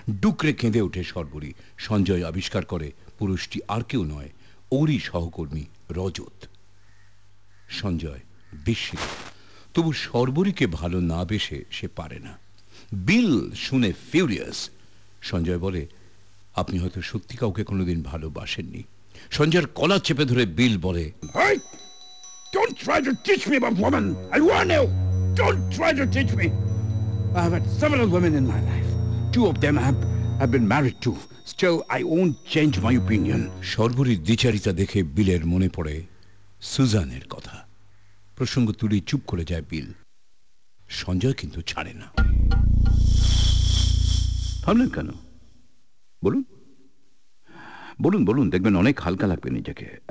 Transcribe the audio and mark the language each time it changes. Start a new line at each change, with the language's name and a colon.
Bangla: ডুকরে কেঁদে ওঠে সর্বরী। সঞ্জয় আবিষ্কার করে পুরুষটি আর কেউ নয়, ওরই সহকর্মী রজত। সঞ্জয় বিস্মিত, তবু সর্বরীকে ভালো না বেসে সে পারে না। বিল শুনে ফিউরিয়াস। সঞ্জয় বলে, আপনি হয়তো সত্যি কাউকে কোনোদিন ভালোবাসেননি। সঞ্জয়ের কলা চেপে ধরে বিল বলে,
English: Don't try to teach me about women. I warn you. Don't try to teach me. I have had several women in my life. 2 of them I've been married to. Still, I won't change my opinion.
Bangla: সর্বরীর দ্বিচারিতা দেখে বিলের মনে পড়ে সুজানের কথা। প্রসঙ্গ তুলে চুপ করে যায় বিল। সঞ্জয় কিন্তু ছাড়ে না। ভাবলেন কেন? বলুন বলুন বলুন, দেখবেন অনেক হালকা লাগবে নিজেকে।